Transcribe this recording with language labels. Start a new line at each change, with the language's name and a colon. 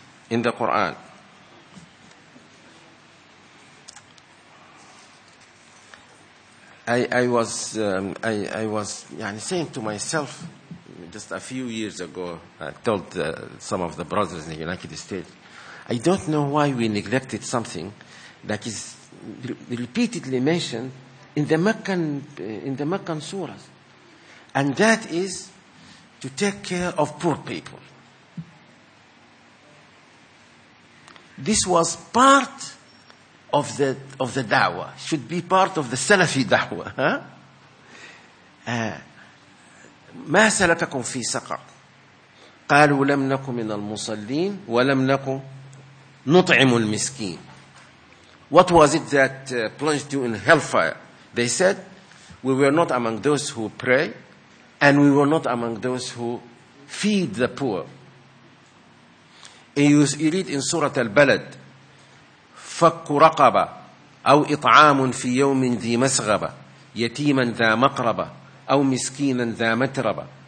English: In the Quran, I was saying to myself just a few years ago, I told some of the brothers in the United States, I don't know why we neglected something that is repeatedly mentioned in the Meccan surahs, and that is to take care of poor people. This was part of the da'wah, should be part of the Salafi da'wah.
Arabic: ما سلككم في سقر قالوا لم نكن من المصلين ولم نكن نطعم المسكين.
English: What was it that plunged you in hellfire? They said, we were not among those who pray, and we were not among those who feed the poor. You read in Surah Al-Balad,
Arabic: فَكُّ رَقَبَ أَوْ إِطْعَامٌ فِي يَوْمٍ ذِي مَسْغَبَ يَتِيمًا ذَا مَقْرَبَ أَوْ مِسْكِينًا ذَا مَتْرَبَ.